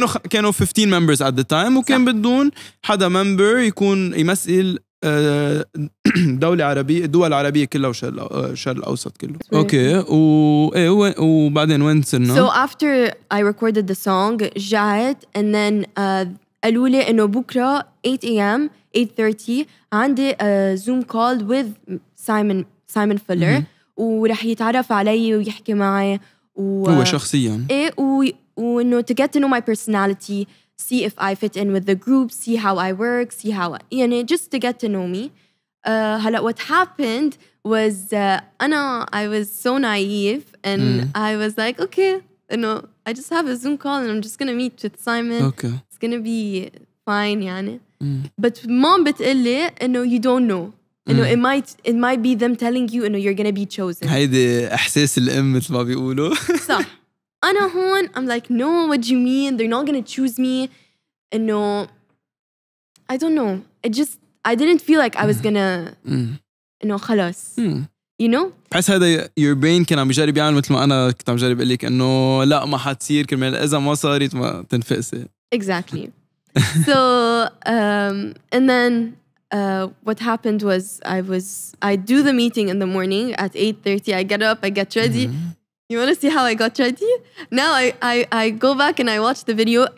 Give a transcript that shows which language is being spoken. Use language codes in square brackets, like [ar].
[ar] كانوا 15 [en] members at the time, [ar] وكان بدون حدا member يكون يمثل دولة عربية, الدول العربية كلها وشرق الأوسط كله. Okay. وبعدين وين صرنا؟ [en] So after I recorded the song, [ar] جاعت, [en] and then [ar] قالوا لي إنه بكرة [en] 8 a.m. 8:30 عندي Zoom call with Simon Fuller. [ar] ورح يتعرف علي ويحكي معي هو شخصيا, وانه [en] to get to know my personality, see if I fit in with the group, see how I work, see how I, [ar] يعني [en] just to get to know me. [ar] هلا [en] what happened was I was so naive and I was like, okay, you know, I just have a Zoom call and I'm just gonna meet with Simon. Okay. It's gonna be fine, [ar] يعني. [en] But mom [ar] بتقلي انه [en] you don't know. You know, it might be them telling you, you know, you're gonna be chosen. [ar] هيدي إحساس الأم مثل ما بيقولوا. صح. أنا هون, [en] I'm like, no, what do you mean? They're not gonna choose me. You know, I don't know. I didn't feel like I was gonna, you know, [ar] خلاص. [en] You know? [ar] بحس هذا [en] your brain [ar] كان عم يجرب يعمل مثل ما أنا كنت عم جرب أقول لك إنه لا ما حتصير كرمال إذا ما صارت ما تنفقسي. [en] Exactly. So, and then what happened was I do the meeting in the morning at 8:30. I get up, I get ready. You want to see how I got ready? Now I go back and I watch the video.